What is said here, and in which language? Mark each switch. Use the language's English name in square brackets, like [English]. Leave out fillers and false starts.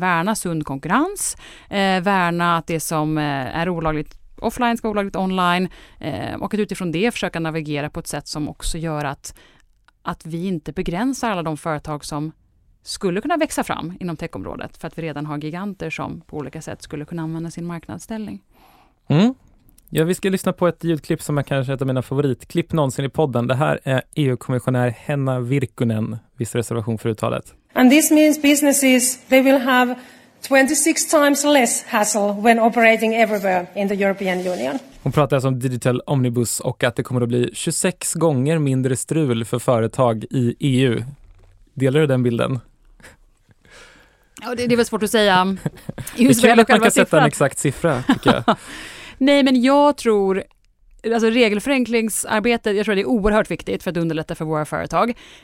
[Swedish] Att värna sund konkurrens, värna att det som är olagligt offline ska vara olagligt online och att utifrån det försöka navigera på ett sätt som också gör att vi inte begränsar alla de företag som skulle kunna växa fram inom techområdet för att vi redan har giganter som på olika sätt skulle kunna använda sin marknadsställning. Mm. Ja, vi ska lyssna på ett ljudklipp som är kanske ett av mina favoritklipp någonsin i podden. Det här är EU-kommissionär Henna Virkkunen, viss reservation för uttalet. [English] And this means businesses, they will have 26 times less hassle when operating everywhere in the European Union. [Swedish] Hon pratar alltså om digital omnibus och att det kommer att bli 26 gånger mindre strul för företag i EU. Delar du den bilden? Ja, det är väl svårt att säga. Det är kul att man kan sätta en exakt siffra, tycker jag. Nej, men jag tror, alltså regelförenklingsarbetet, jag tror det är oerhört viktigt för att underlätta för våra företag.